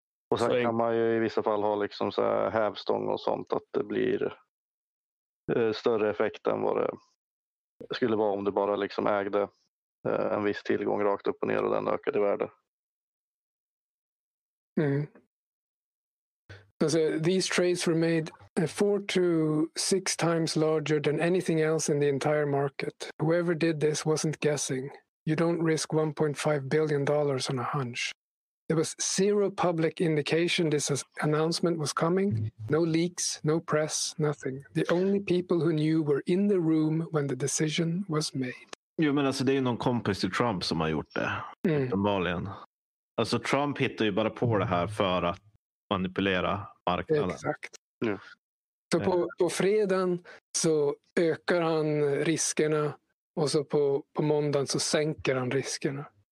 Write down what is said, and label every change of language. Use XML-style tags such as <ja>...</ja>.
<sv>Och sen kan man ju i vissa fall ha liksom så här hävstång och sånt, att det blir större effekt än vad det skulle vara om du bara liksom ägde en viss tillgång rakt upp och ner och den ökade i värde. Alltså,</sv> <en>these trades were made 4 to 6 times larger than anything else in the entire market. Whoever did this wasn't guessing. You don't risk $1.5 billion on a hunch. There was zero public indication this announcement was coming. No leaks, no press, nothing. The only people who knew were in the room when the decision was made.</en> <sv>Jo, men alltså, det är ju någon kompis till Trump som har gjort det. Normalt. Alltså, Trump hittar ju bara på det här för att manipulera marknaden. Exakt. Så på fredagen så ökar han riskerna, och så på måndagen så sänker han riskerna.</sv>